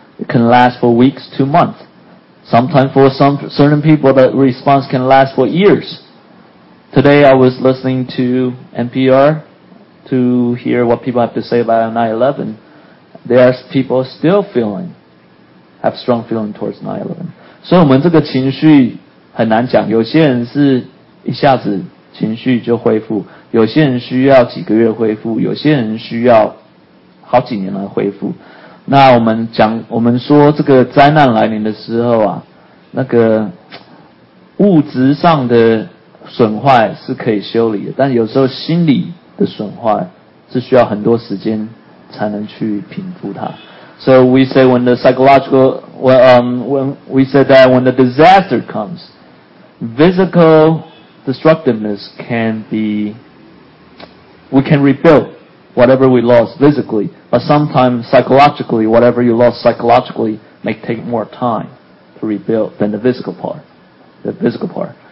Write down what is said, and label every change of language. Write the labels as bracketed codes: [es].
[en] It can last for weeks to months. Sometimes for some certain people, the response can last for years. Today I was listening to NPR to hear what people have to say about 9/11. There are people still have strong feeling towards 9/11. [zh] 所以我们这个情绪很难讲，有些人是一下子情绪就恢复，有些人需要几个月恢复，有些人需要好几年来恢复。那我们说这个灾难来临的时候啊，那个物质上的损坏是可以修理的，但有时候心理的损坏是需要很多时间才能去平复它。 [en] So we say when the psychological when the disaster comes, physical destructiveness can be, we can rebuild whatever we lost physically, but sometimes psychologically, whatever you lost psychologically may take more time to rebuild than the physical part.